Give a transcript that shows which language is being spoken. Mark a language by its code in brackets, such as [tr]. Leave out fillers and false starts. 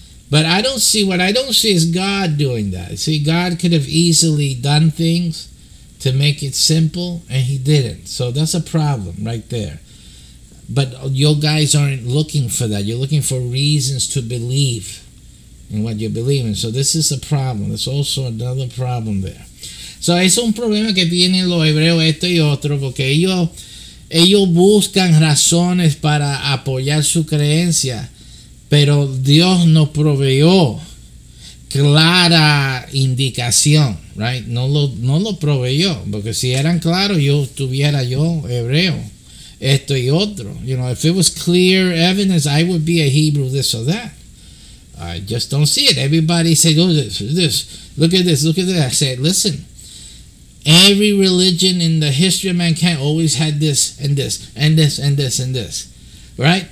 [en] But I don't see, what I don't see is God doing that. See, God could have easily done things to make it simple, and he didn't. So that's a problem right there. But you guys aren't looking for that. You're looking for reasons to believe in what you believe in. So this is a problem. There's also another problem there. [es] So es un problema que tienen los hebreos esto y otro, porque ellos buscan razones para apoyar su creencia, pero Dios no proveyó clara indicación, right? No lo proveyó, porque si eran claros, yo estuviera yo hebreo, esto y otro. [en] You know, if it was clear evidence, I would be a Hebrew, this or that. I just don't see it. Everybody said, oh, this, look at this, look at that. I said, listen, every religion in the history of mankind always had this and this and this and this and this, right?